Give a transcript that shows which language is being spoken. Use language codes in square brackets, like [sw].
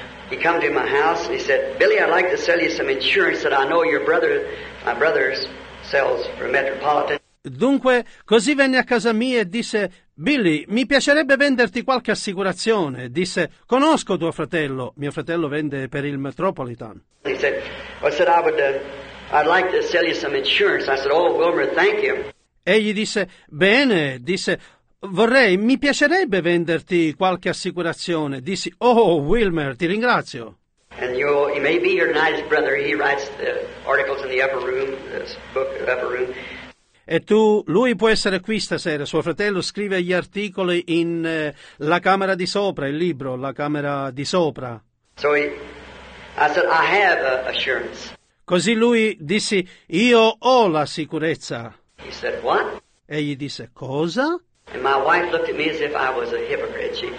[en] He came to my house and he said, Billy, I'd like to sell you some insurance that I know your brother, my brother's. Sells for Metropolitan. [it] Dunque, così venne a casa mia e disse, Billy, mi piacerebbe venderti qualche assicurazione. Disse, conosco tuo fratello. Mio fratello vende per il Metropolitan. [en] He said, well, said I would, I'd like to sell you some insurance. I said, oh, Wilmer, thank you. [it] Egli disse, bene. Disse, vorrei, mi piacerebbe venderti qualche assicurazione. Dissi, oh, Wilmer, ti ringrazio. [en] And he may be here tonight, his brother. He writes the articles in the upper room, this book, the upper room. [it] E tu, lui può essere qui stasera, suo fratello scrive gli articoli in la camera di sopra, il libro, la camera di sopra. [en] So I said, I have an assurance. [it] Così lui disse, io ho la sicurezza. [en] He said, what? [it] E gli disse, cosa? [en] And my wife looked at me as if I was a hypocrite.